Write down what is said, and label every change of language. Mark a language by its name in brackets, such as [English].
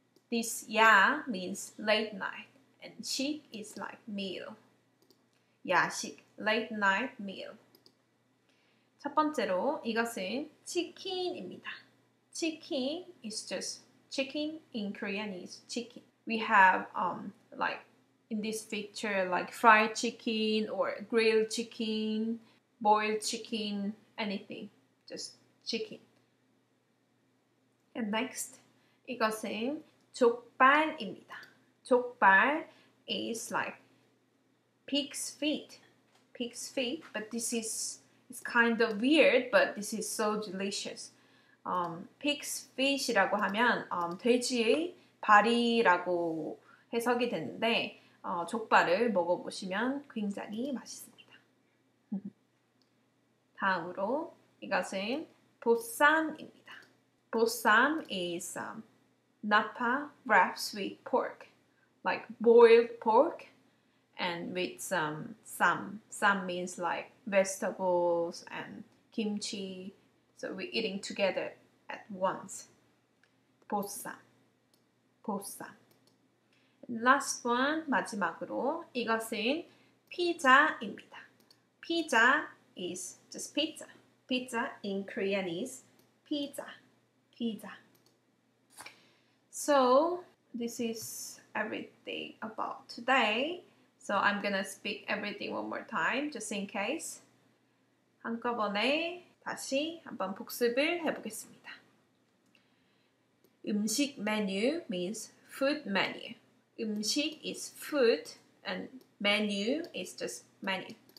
[English] This ya means late night and chic is like meal. 야식, late night meal. [Korean] 첫 번째로 이것은 치킨입니다. [English] Chicken is just chicken in Korean is chicken. We have like in this picture like fried chicken or grilled chicken, boiled chicken, anything. Just chicken. And next, [Korean] 이것은 족발입니다. [English] 족발 is like pig's feet. Pig's feet, but this is it's kind of weird, but this is so delicious. [Korean] Pig's feet이라고 하면 돼지의 발이라고 해석이 되는데 족발을 먹어보시면 굉장히 맛있습니다. 다음으로 이것은 보쌈입니다. 보쌈 is [English] napa wraps with pork, like boiled pork, and with some sam. Sam means like vegetables and kimchi. So we're eating together at once. Bossam. Bossam. Last one, [Korean] 마지막으로 이것은 피자입니다. [English] Pizza is just pizza. Pizza in Korean is pizza. Pizza. So this is everything about today. So I'm gonna speak everything one more time just in case. [Korean] 한꺼번에 다시 한번 복습을 해보겠습니다. [English] 음식 메뉴 means food menu. 음식 is food and menu is just menu.